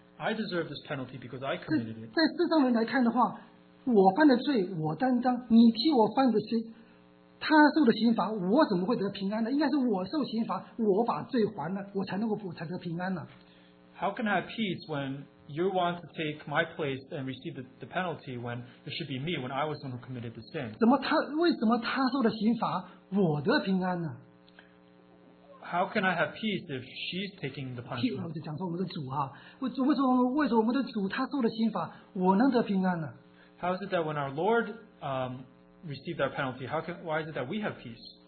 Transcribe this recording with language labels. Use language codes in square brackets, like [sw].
[en] I deserve this penalty because I committed it. [zh] 在世上人来看的话，我犯的罪我担当，你替我犯的罪。他受的刑罚，我怎么会得平安呢？应该是我受刑罚，我把罪还了，我才能够才得平安呢。 [en] How can I have peace when you want to take my place and receive the penalty when it should be me when I was the one who committed the sin? [zh] 怎么他为什么他受的刑罚，我得平安呢？ [en] How can I have peace if she's taking the punishment? [zh] 我就讲说我们的主啊，为什么我们的主他受的刑罚，我能得平安呢？ [en] How is it that when our Lord received our penalty, why is it that we have peace?